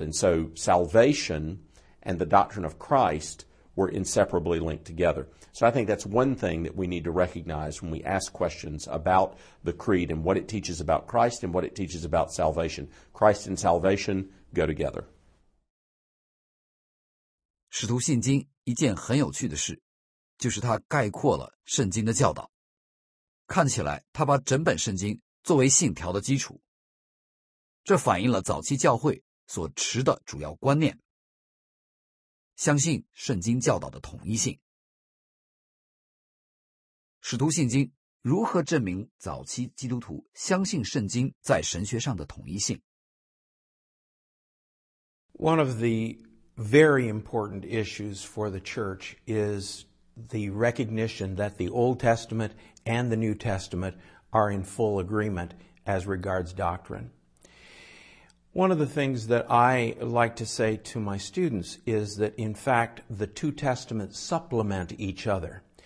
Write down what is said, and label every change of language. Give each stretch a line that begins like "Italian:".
English: And so salvation and the doctrine of Christ were inseparably linked together. So I think that's one thing that we need to recognize when we ask questions about the Creed and what it teaches about Christ and what it teaches about salvation. Christ and salvation go together.
Chinese: 使徒信经一件很有趣的事，就是它概括了圣经的教导。看起来，它把整本圣经作为信条的基础。这反映了早期教会所持的主要观念。相信圣经教导的统一性。使徒信经如何证明早期基督徒相信圣经在神学上的统一性？
English: One of the very important issues for the church is the recognition that the Old Testament and the New Testament are in full agreement as regards doctrine. One of the things that I like to say to my students is that, in fact, the two testaments supplement each other.